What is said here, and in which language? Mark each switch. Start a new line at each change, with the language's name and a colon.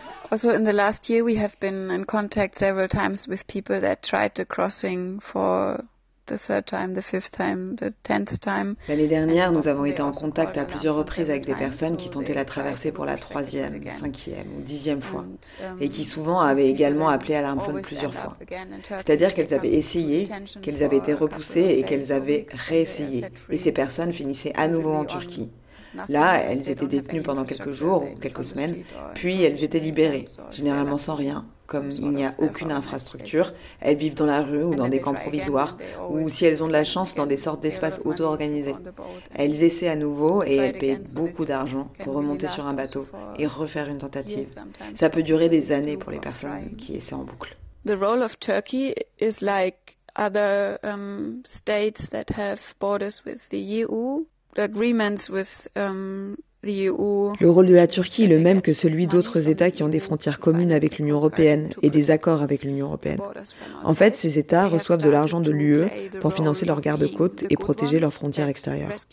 English: Also in the last year we have been in contact several times with people that tried the crossing for the third time, the fifth time, the tenth time.
French: L'année dernière, nous avons été en contact à plusieurs reprises avec des personnes qui tentaient la traversée pour la troisième, cinquième ou dixième fois et qui souvent avaient également appelé à l'armphone plusieurs fois. C'est-à-dire qu'elles avaient essayé, qu'elles avaient été repoussées et qu'elles avaient réessayé et ces personnes finissaient à nouveau en Turquie. Là, elles étaient détenues pendant quelques jours ou quelques semaines, puis elles étaient libérées, généralement sans rien. Comme il n'y a aucune infrastructure, elles vivent dans la rue ou dans des camps provisoires, ou si elles ont de la chance, dans des sortes d'espaces auto-organisés. Elles essaient à nouveau et elles paient beaucoup d'argent pour remonter sur un bateau et refaire une tentative. Ça peut durer des années pour les personnes qui essaient en boucle.
English: The role of Turkey is like other states that have borders with the EU.
French: Le rôle de la Turquie est le même que celui d'autres États qui ont des frontières communes avec l'Union européenne et des accords avec l'Union européenne. En fait, ces États reçoivent de l'argent de l'UE pour financer leurs gardes-côtes et protéger leurs frontières extérieures.